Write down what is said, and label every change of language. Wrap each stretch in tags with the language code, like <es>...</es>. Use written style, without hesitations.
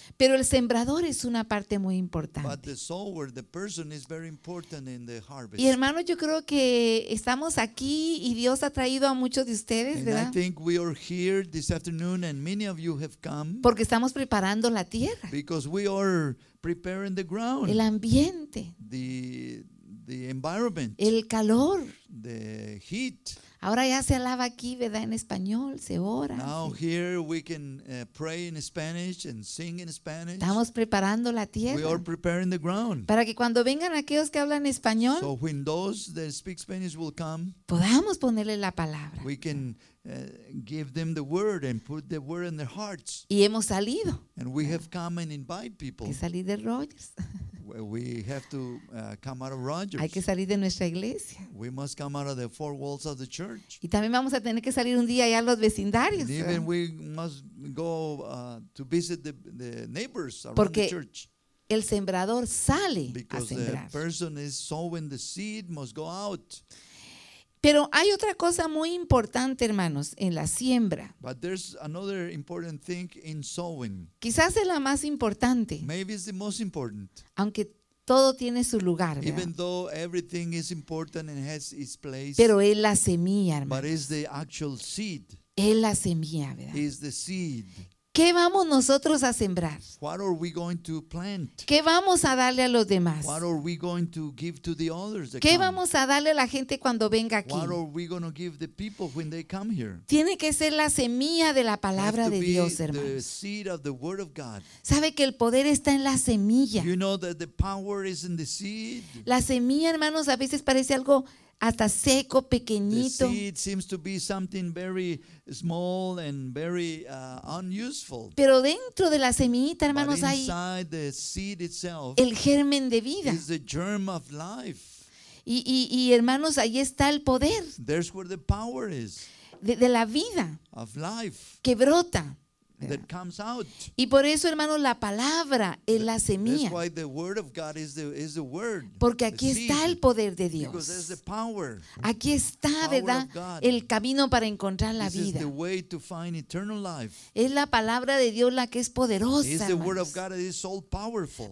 <es>Pero el sembrador es una parte muy importante.</es> <en>But the sower, the person is very important in the harvest.</en> <es>Y hermano, yo creo que estamos aquí y Dios ha traído a muchos de ustedes, ¿verdad?</es> <en>And I think we are here this afternoon and many of you have come.</en> <es>Porque estamos preparando la tierra.</es> <en>Because we are preparing the ground.</en> <es>El ambiente.</es> <en>The environment.</en> <es>El calor.</es> <en>The heat.</en> <es>Ahora ya se alaba aquí, ¿verdad? En español, se ora.</es> <en>Now here we can pray in Spanish and sing in Spanish.</en> <es>Estamos preparando la tierra.</es> <en>We are preparing the ground.</en> <es>Para que cuando vengan aquellos que hablan español,</es> <en>so when those that speak Spanish will come,</en> <es>podamos ponerle la palabra.</es> <en>We can give them the word and put the word in their hearts.</en> <es>Y hemos salido.</es> <en>And we have come and invite people.</en> <es>Que salir de Rogers.</es> <en>We have to come out of Rogers.</en> <es>Hay que salir de nuestra iglesia.</es> <en>We must come out of the four walls of the church.</en> <es>Y también vamos a tener que salir un día allá a los vecindarios.</es> <en>And even we must go to visit the neighbors around</en> <es>Porque</es> <en>the church.</en> <es>Porque el sembrador sale</es> <en>Because</en> <es>a sembrar.</es> <en>Because the person is sowing the seed must go out.</en> <es>Pero hay otra cosa muy importante, hermanos, en la siembra.</es> <en>But there's another important thing in sowing.</en> <es>Quizás es la más importante.</es> <en>Maybe it's the most important.</en> <es>Aunque todo tiene su lugar, ¿verdad?</es> <en>Even though everything is important and has its place.</en> <es>Pero es la semilla, hermanos.</es> <en>But it's the actual seed.</en> <es>Es la semilla, ¿verdad?</es> <en>It's the seed.</en> <es>¿Qué vamos nosotros a sembrar?</es> <en>What are we going to plant?</en> <es>¿Qué vamos a darle a los demás?</es> <en>What are we going to give to the others that</en> <es>¿Qué</es> <en>come?</en> <es>Vamos a darle a la gente cuando venga aquí?</es> <en>What are we going to give the people when they come here?</en> <es>Tiene que ser la semilla de la palabra de Dios, hermanos.</es> <en>The seed of the word of God.</en> <es>¿Sabe que el poder está en la semilla?</es> <en>You know that the power is in the seed.</en> <es>La semilla, hermanos, a veces parece algo hasta seco, pequeñito.</es> <en>The seed seems to be something very small and very unuseful.</en> <es>Pero dentro de la semillita, hermanos, hay</es> <en>the seed itself,</en> <es>el germen de vida.</es> <en>Is the germ of life.</en> <es>Y hermanos, ahí está el poder.</es> <en>There's where the power is.</en> <es>de la vida</es> <en>of life</en> <es>que brota.</es> <en>That comes out.</en> <es>Y por eso, hermano, la palabra es la semilla.</es> <en>That's why the word of God is the word.</en> <es>Porque aquí está el poder de Dios.</es> <en>Because there's the power.</en> <es>Aquí está, ¿verdad? El camino para encontrar la vida.</es> <en>This is the way to find eternal life.</en> <es>Es la palabra de Dios la que es poderosa.</es> <en>It's the word of God that is all powerful.</en>